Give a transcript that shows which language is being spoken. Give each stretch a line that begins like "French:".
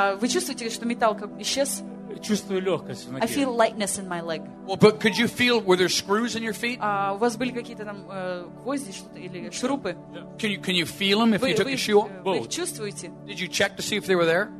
Russian: Вы чувствуете, что металл как исчез? Чувствую легкость в ноге.
English: I feel lightness in my leg. Well, but could you feel were there screws in your feet?
Russian: У вас были какие-то там гвозди что-то или шурупы?
English: Can you feel them if you took a shoe off?
Russian: Вы их чувствуете?
English: Did you check to see if they were there?